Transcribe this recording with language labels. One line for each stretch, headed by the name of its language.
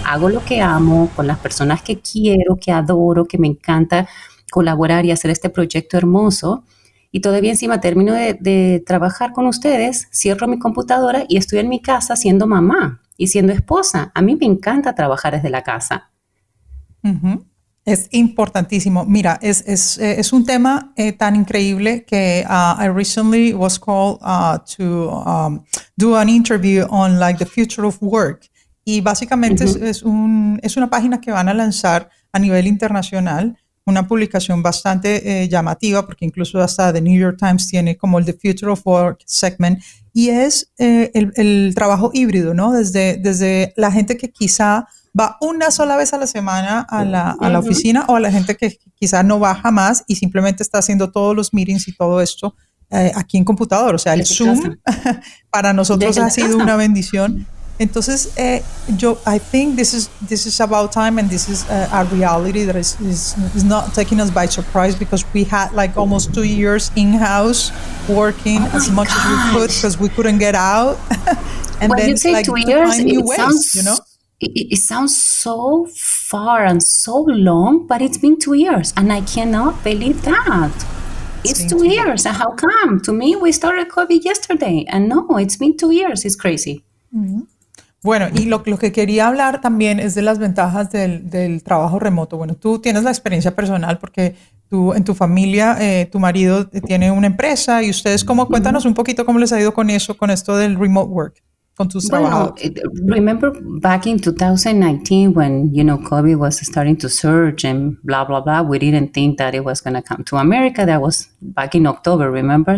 Spanish: Hago lo que amo, con las personas que quiero, que adoro, que me encanta colaborar y hacer este proyecto hermoso, y todavía encima termino de trabajar con ustedes, cierro mi computadora y estoy en mi casa siendo mamá y siendo esposa. A mí me encanta trabajar desde la casa. Uh-huh. Es importantísimo. Mira, es un tema tan increíble que
English: I recently was called to do an interview on like the future of work.
Spanish: Y básicamente es una página que van a lanzar a nivel internacional, una publicación bastante llamativa, porque incluso hasta The New York Times tiene como el The Future of Work segment, y es el trabajo híbrido, ¿no? Desde la gente que quizá va una sola vez a la semana a la oficina, o a la gente que quizá no va jamás y simplemente está haciendo todos los meetings y todo esto aquí en computador. O sea, el Zoom para nosotros ha sido una bendición. Entonces, yo,
English: I think this is about time and this is a reality that is not taking us by surprise because we had like almost 2 years in-house working as much as we could because we couldn't get out. And when then, you say like, 2 years, it sounds so far and so long, but it's been 2 years and I cannot believe that. It's 2 years and how come? To me, we started COVID yesterday and no, it's been 2 years. It's crazy. Mm-hmm.
Spanish: Bueno, y lo que quería hablar también es de las ventajas del trabajo remoto. Bueno, tú tienes la experiencia personal porque tú en tu familia, tu marido tiene una empresa y ustedes, ¿cómo? Cuéntanos un poquito cómo les ha ido con eso, con esto del
English: remote work,
Spanish: con tus trabajos.
English: Remember back in 2019 when, you know, COVID was starting to surge and blah, blah, blah, we didn't think that it was going to come to America. That was back in October, remember?